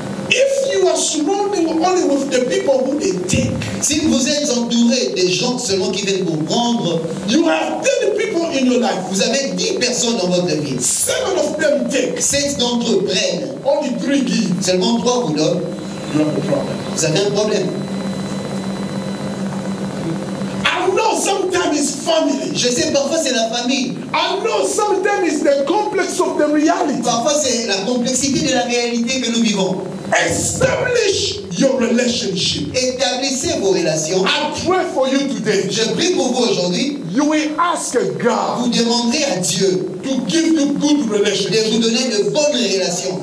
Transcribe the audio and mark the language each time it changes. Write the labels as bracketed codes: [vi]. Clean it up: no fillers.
[en] If you are surrounded only with the people who they take, [fr] si vous êtes entouré des gens seulement qui viennent vous prendre, [en] you have 10 people in your life. [fr] Vous avez 10 personnes dans votre vie. [en] 7 of them take. [fr] 7 d'entre eux prennent. [en] Only 3 give. [fr] Seulement 3 vous donnent. [en] You have a problem. [fr] Vous avez un problème. [en] Sometimes it's family. [fr] Je sais, parfois c'est la famille. [en] I know sometimes it's the complex of the reality. [fr] Parfois c'est la complexité de la réalité que nous vivons. [en] Establish your relationship. [fr] Établissez vos relations. [en] I pray for you today. [fr] Je prie pour vous aujourd'hui. [en] You will ask God. [fr] Vous demanderez à Dieu [en] to give you good relationship. [fr] De vous donner de bonnes relations.